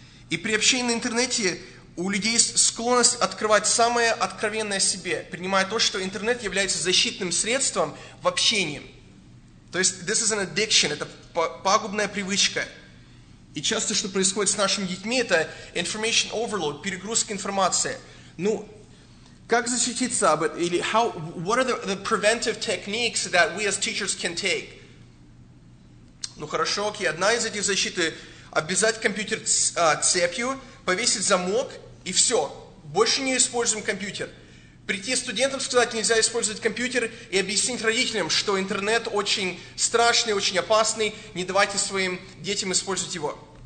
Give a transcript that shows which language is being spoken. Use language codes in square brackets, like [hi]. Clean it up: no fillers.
[ru] И при общении на интернете у людей склонность открывать самое откровенное о себе, принимая то, что интернет является защитным средством в общении. То есть [en] this is an addiction, [ru] это пагубная привычка. И часто, что происходит с нашими детьми, это [en] information overload, [ru] перегрузка информации. Ну, как защититься об этом? Или [en] how, what are the preventive techniques that we as teachers can take? [ru] Ну, хорошо, окей. Одна из этих защит – обвязать компьютер цепью, повесить замок, и все. Больше не используем компьютер. Прийти студентам, сказать, нельзя использовать компьютер, и объяснить родителям, что интернет очень страшный, очень опасный, не давайте своим детям использовать его.